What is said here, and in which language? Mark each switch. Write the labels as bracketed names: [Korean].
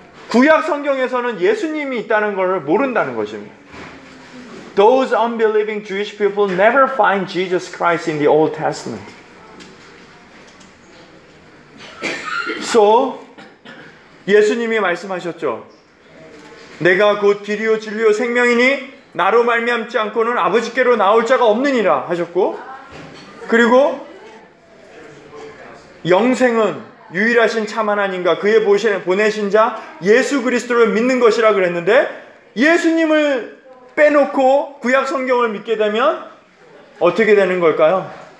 [Korean] 구약 성경에서는 예수님이 있다는 것을 모른다는 것입니다. [English] Those unbelieving Jewish people never find Jesus Christ in the Old Testament. [Korean] So, 예수님이 말씀하셨죠. 내가 곧 길이요 진리요 생명이니 나로 말미암지 않고는 아버지께로 나올 자가 없느니라 하셨고, 그리고 영생은 유일하신 참 하나님과 그의 보내신 자 예수 그리스도를 믿는 것이라 그랬는데, 예수님을 빼놓고 구약 성경을 믿게 되면 어떻게 되는 걸까요?